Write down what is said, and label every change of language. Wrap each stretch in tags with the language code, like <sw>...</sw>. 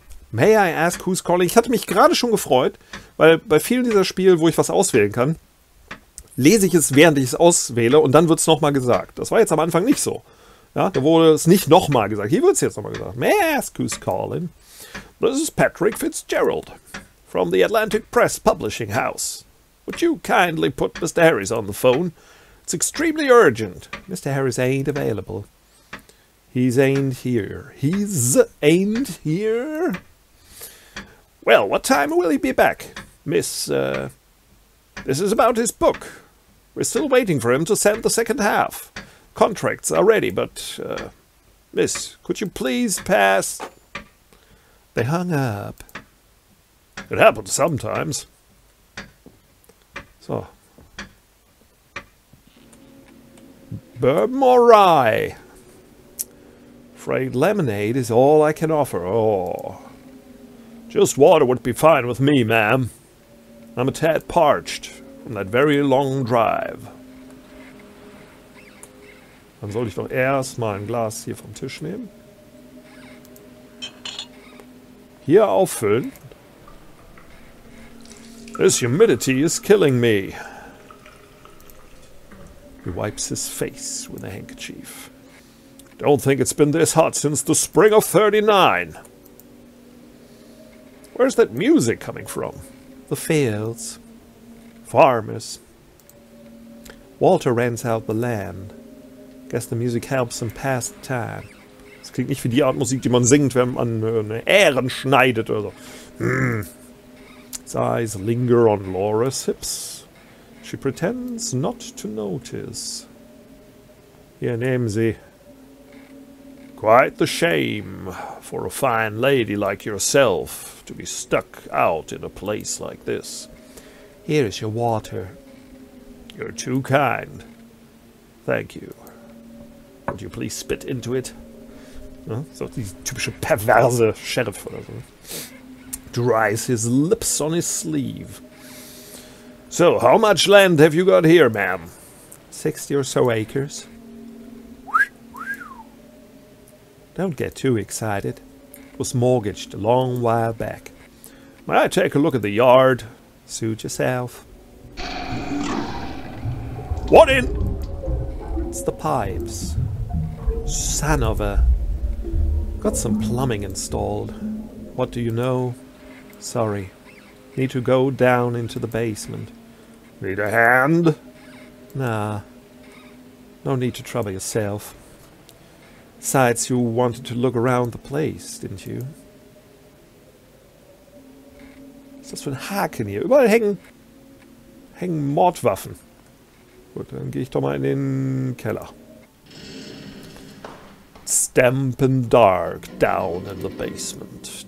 <en>May I ask who's calling?</en> <de>Ich hatte mich gerade schon gefreut, weil bei vielen dieser Spiele, wo ich was auswählen kann, lese ich es, während ich es auswähle und dann wird es nochmal gesagt. Das war jetzt am Anfang nicht so. Ja, da wurde es nicht nochmal gesagt. Hier wird es jetzt nochmal gesagt.</de> <en>May I ask who's calling? This is Patrick Fitzgerald from the Atlantic Press Publishing House. Would you kindly put Mr. Harris on the phone? It's extremely urgent. Mr. Harris ain't available. He's ain't here. He's ain't here? Well, what time will he be back, Miss... This is about his book. We're still waiting for him to send the second half. Contracts are ready, but... Miss, could you please pass... They hung up. It happens sometimes. So. Bourbon or rye? Afraid lemonade is all I can offer. Oh. Just water would be fine with me, ma'am. I'm a tad parched. From that very long drive.</en> <de>Dann soll ich doch erstmal ein Glas hier vom Tisch nehmen. Hier auffüllen.</de> <en>This humidity is killing me. He wipes his face with a handkerchief. Don't think it's been this hot since the spring of 39. Where's that music coming from? The fields. Farmers. Walter rents out the land. Guess the music helps him pass the time.</en> <de>Das klingt nicht wie die Art Musik, die man singt, wenn man eine Ähren schneidet oder so.</de> <en>His eyes linger on Laura's hips. She pretends not to notice.</en> <de>Hier, nehmen Sie.</de> <en>Quite the shame for a fine lady like yourself to be stuck out in a place like this. Here is your water. You're too kind. Thank you. Would you please spit into it?</en> <de>Ja, so die typische perverse Sheriff oder so.</de> <en>Dries his lips on his sleeve. So, how much land have you got here, ma'am? 60 or so acres. Don't get too excited. was mortgaged a long while back. May I take a look at the yard? Suit yourself. What in? It's the pipes. Son of a... Got some plumbing installed. What do you know? Sorry. Need to go down into the basement. Need a hand? Nah. No need to trouble yourself. Besides, you wanted to look around the place, didn't you?</en> <de>Was das für ein Haken hier? Überall hängen Mordwaffen. Gut, dann gehe ich doch mal in den Keller.</de> <en>Stamp and dark down in the basement.</en>